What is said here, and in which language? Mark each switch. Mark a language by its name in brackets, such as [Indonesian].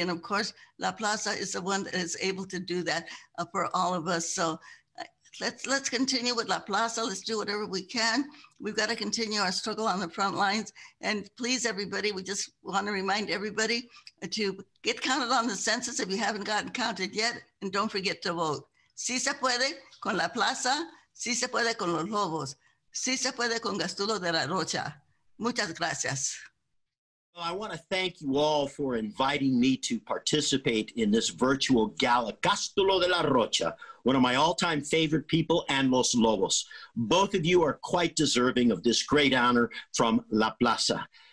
[English] And of course, La Plaza is the one that is able to do that for all of us. So let's continue with La Plaza. Let's do whatever we can. We've got to continue our struggle on the front lines. And please, everybody, we just want to remind everybody to get counted on the census if you haven't gotten counted yet. And don't forget to vote. [Spanish] Si se puede con La Plaza, si se puede con Los Lobos, si se puede con Cástulo de la Rocha. Muchas gracias. [English] Well, I want to thank you all for inviting me to participate in this virtual gala. Cástulo de la Rocha, one of my all-time favorite people, and Los Lobos. Both of you are quite deserving of this great honor from La Plaza.